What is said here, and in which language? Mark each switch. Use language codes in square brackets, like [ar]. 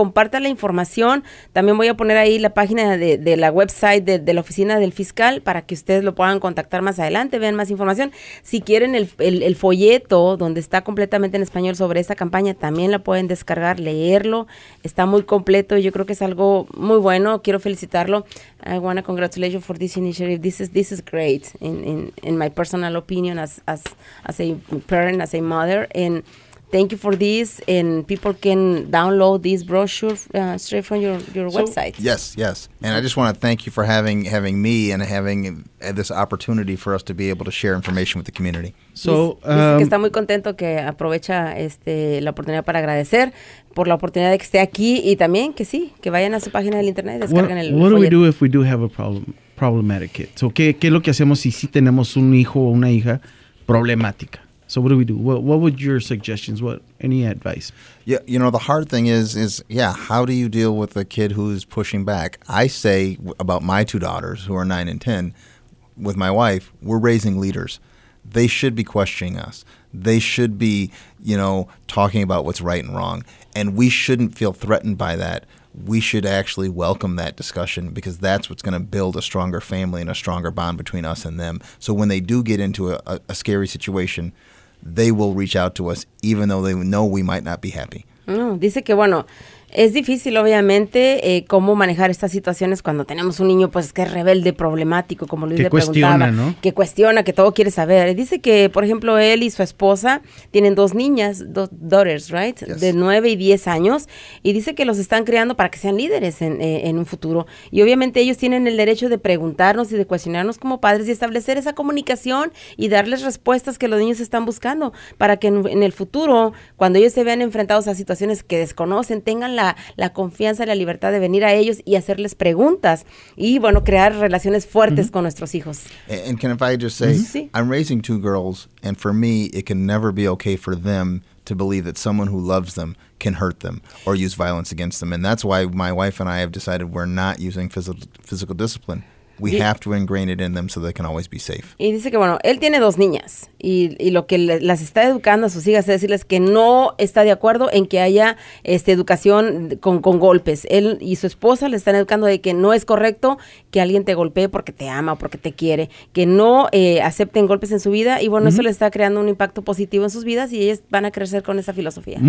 [es] Compartan la información. También voy a poner ahí la página de la website de la oficina del fiscal para que ustedes lo puedan contactar más adelante, vean más información. Si quieren el folleto donde está completamente en español sobre esta campaña, también la pueden descargar, leerlo. Está muy completo y yo creo que es algo muy bueno. Quiero felicitarlo. [en] I want to congratulate you for this initiative. This is great in my personal opinion as a parent, as a mother, and thank you for this, and people can download this brochure straight from your website. Yes, yes. And I just want to thank you for having me and having this opportunity for us to be able to share information with the community. [es] So, que está muy contento que aprovecha la oportunidad para agradecer por la oportunidad de que esté aquí y también que sí, que vayan a su página del internet y descarguen el [en] folleto. What do we do if we do have a problematic kid? [es] So, ¿qué es lo que hacemos si tenemos un hijo o una hija problemática? [en] So what do we do? What would your suggestions? What any advice? Yeah, you know, the hard thing is how do you deal with a kid who is pushing back? I say about my two daughters who are 9 and 10 with my wife, we're raising leaders. They should be questioning us. They should be, you know, talking about what's right and wrong, and we shouldn't feel threatened by that. We should actually welcome that discussion because that's what's going to build a stronger family and a stronger bond between us and them. So when they do get into a scary situation, they will reach out to us even though they know we might not be happy. [es] No, dice que bueno, es difícil obviamente cómo manejar estas situaciones cuando tenemos un niño pues que es rebelde, problemático, como Luis le preguntaba, ¿no? Que cuestiona, que todo quiere saber. Dice que, por ejemplo, él y su esposa tienen dos niñas, [en] daughters, right? Yes. [es] De 9 y 10 años, y dice que los están criando para que sean líderes en un futuro. Y obviamente ellos tienen el derecho de preguntarnos y de cuestionarnos como padres y establecer esa comunicación y darles respuestas que los niños están buscando para que en el futuro, cuando ellos se vean enfrentados a situaciones que desconocen, tengan la confianza y la libertad de venir a ellos y hacerles preguntas y bueno, crear relaciones fuertes con nuestros hijos. [en] And can I just say, I'm raising two girls, and for me, it can never be okay for them to believe that someone who loves them can hurt them or use violence against them. And that's why my wife and I have decided we're not using physical discipline. We have to ingrain it in them so they can always be safe. [es] Y dice que, bueno, él tiene dos niñas y lo que las está educando a sus hijas es decirles que no está de acuerdo en que haya educación con golpes. Él y su esposa le están educando de que no es correcto que alguien te golpee porque te ama o porque te quiere, que no acepten golpes en su vida y, bueno, eso le está creando un impacto positivo en sus vidas y ellas van a crecer con esa filosofía.